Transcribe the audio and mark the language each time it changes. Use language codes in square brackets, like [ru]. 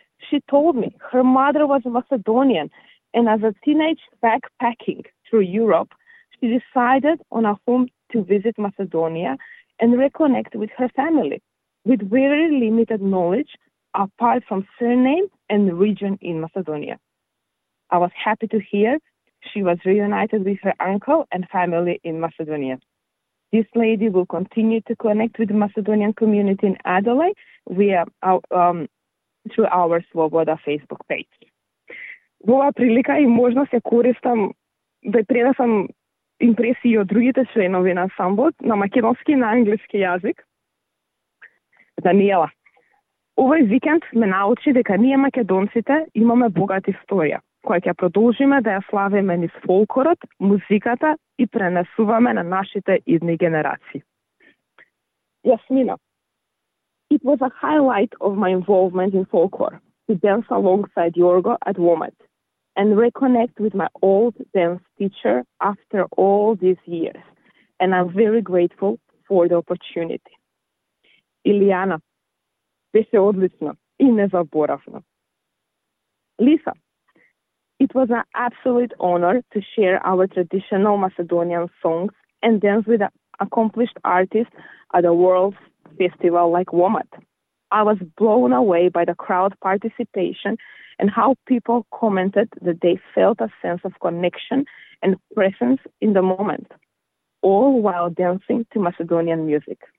[en] She told me her mother was a Macedonian, and as a teenage backpacking through Europe, she decided on a home to visit Macedonia and reconnect with her family, with very limited knowledge apart from surname and region in Macedonia. I was happy to hear she was reunited with her uncle and family in Macedonia. This lady will continue to connect with the Macedonian community in Adelaide via through our Sloboda Facebook page. [mk] Ова прилика и можност ја користам да пренесам импресии од другите членови на самбот на македонски и на англиски јазик. Даниела, овој викенд ме научи дека ние македонците имаме богата историја, која ќе продолжиме да ја славиме низ фолкорот, музиката и пренесуваме на нашите идни генерации. [en] Јасмина, it was a highlight of my involvement in folklore to dance alongside Jorgo at WOMAD and reconnect with my old dance teacher after all these years. And I'm very grateful for the opportunity. [mk] Илјана, беше одлично и незаборавно. [en] Лиса, it was an absolute honor to share our traditional Macedonian songs and dance with an accomplished artist at a world festival like WOMAD. I was blown away by the crowd participation and how people commented that they felt a sense of connection and presence in the moment, all while dancing to Macedonian music.